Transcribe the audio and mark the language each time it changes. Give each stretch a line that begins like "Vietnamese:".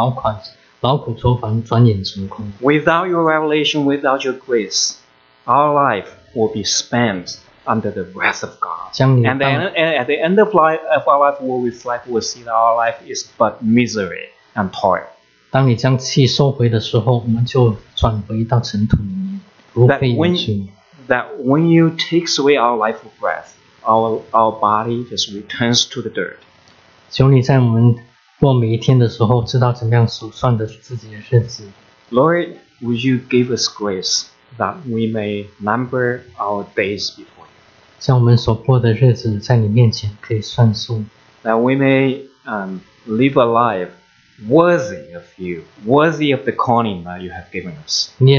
Chinese: 我们所过的日子都在你政令里面，我们所经过的都是劳苦愁烦，转眼成空。
English: Without your revelation, without your grace, our life will be spent under the wrath of God. And at the end of life, of our life, we'll reflect, we'll see that our life is but misery and toil.
Chinese: 当你将气收回的时候，我们就转回到尘土里面，如飞云去。
English: That when you takes away our life breath, our body just returns to the dirt.
Chinese: 求你在我们过每一天的时候，知道怎么样数算的自己的日子。
English: Lord, would you give us grace that we may number our days before you?
Chinese: 将我们所过的日子在你面前可以算数。
English: That we may live a life worthy of you, worthy of the calling that you have given us.